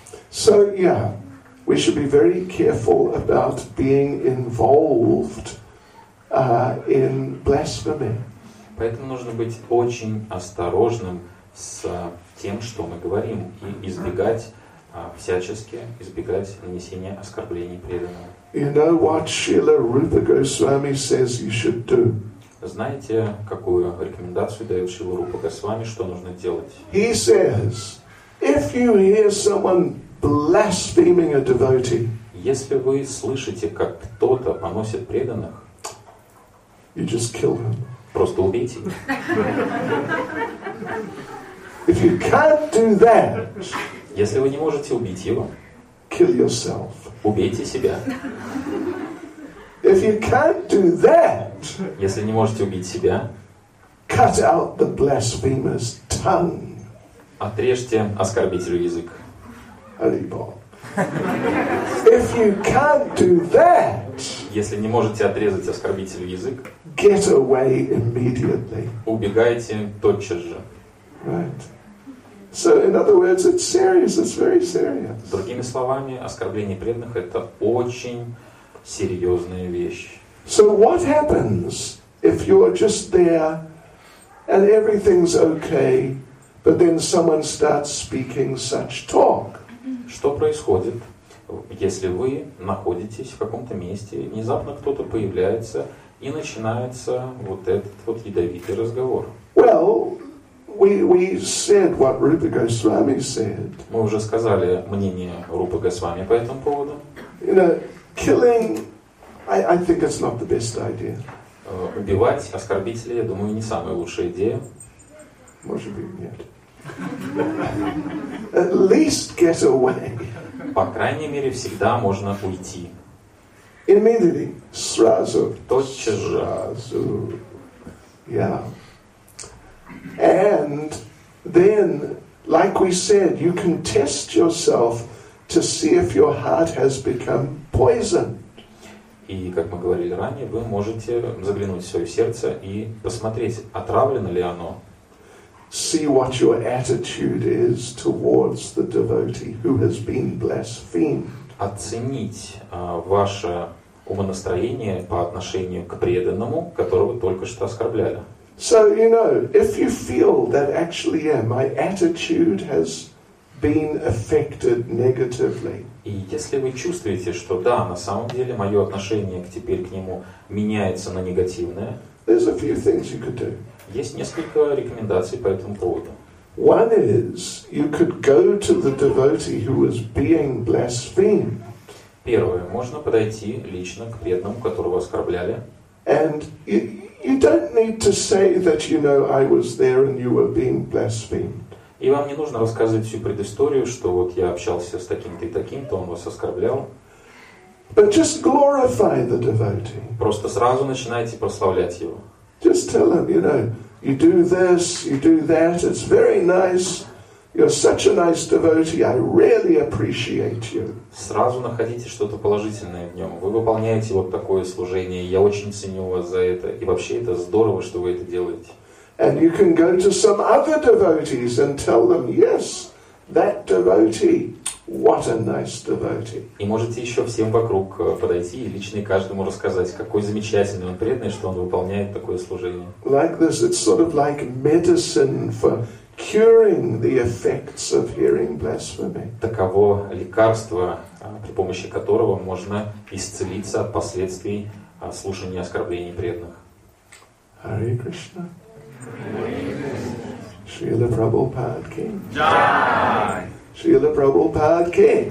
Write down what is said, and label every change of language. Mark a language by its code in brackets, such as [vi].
[en] So, yeah, we should be very careful about being involved in blasphemy. [ru] Поэтому нужно быть очень осторожным с тем, что мы говорим, и избегать всячески избегать нанесения оскорблений преданного. [en] You know what Srila Rupa Goswami says you should do? [ru] Знаете, какую рекомендацию дает Шрила Рупа Госвами, что нужно делать? [en] He says, if you hear someone blaspheming a devotee, [ru] если вы слышите, как кто-то поносит преданных, [en] you just kill him. [ru] Просто убейте. [en] If you can't do that, [ru] если вы не можете убить его, [en] kill yourself. [ru] Убейте себя. [en] If you can't do that, [ru] если не можете убить себя, [en] cut out the blasphemer's tongue. [ru] Отрежьте оскорбителю язык. [en] If you can't do that, [ru] если не можете отрезать оскорбителю язык, [en] get away immediately. [ru] Убегайте тотчас же. [en] Right. So in other words, it's serious. It's very serious. [ru] Другими словами, оскорбление преданных — это очень серьезная вещь. [en] So what happens if you're just there and everything's okay, but then someone starts speaking such talk? [ru] Что происходит, если вы находитесь в каком-то месте, внезапно кто-то появляется и начинается вот этот вот ядовитый разговор? [en] Well, we said what Rupa Goswami said. [ru] Мы уже сказали мнение Рупы Госвами по этому поводу. [en] You know, killing, I think it's not the best idea. [ru] Убивать оскорбителей, я думаю, не самая лучшая идея. Может быть, нет. [en] At least get away. [ru] По крайней мере, всегда можно уйти. [en] Immediately, [ru] сразу. Тотчас же. Сразу. Yeah. [en] And then, like we said, you can test yourself to see if your heart has become poisoned. [ru] И, как мы говорили ранее, вы можете заглянуть в свое сердце и посмотреть, отравлено ли оно. [en] See what your attitude is towards the devotee who has been blasphemed. [ru] Оценить ваше умонастроение по отношению к преданному, которого только что оскорбляли. [en] So, you know, if you feel that actually, yeah, my attitude has been affected negatively. [ru] И если вы чувствуете, что да, на самом деле мое отношение теперь к нему меняется на негативное. [en] There's a few things you could do. [ru] Есть несколько рекомендаций по этому поводу. [en] One is you could go to the devotee who was being blasphemed. [ru] Первое, можно подойти лично к преданному, которого оскорбляли. [en] And you don't need to say that, you know, I was there and you were being blasphemed. [ru] И вам не нужно рассказывать всю предысторию, что вот я общался с таким-то и таким-то, он вас оскорблял. [en] But just glorify the devotee. [ru] Просто сразу начинайте прославлять его. [en] Just tell him, you know, you do this, you do that, it's very nice. You're such a nice devotee. I really appreciate you. [ru] Сразу находите что-то положительное в нем. Вы выполняете вот такое служение. Я очень ценю вас за это. И вообще это здорово, что вы это делаете. [en] And you can go to some other devotees and tell them, yes, that devotee, what a nice devotee. [ru] И можете еще всем вокруг подойти и лично каждому рассказать, какой замечательный он преданный, что он выполняет такое служение. [en] Like this, it's sort of like medicine for curing the effects of hearing blasphemy. [ru] Таково лекарство, при помощи которого можно исцелиться от последствий слушания оскорблений преданных. [en] Hare Krishna. Srila Prabhupada ki. Jai. Srila Prabhupada ki.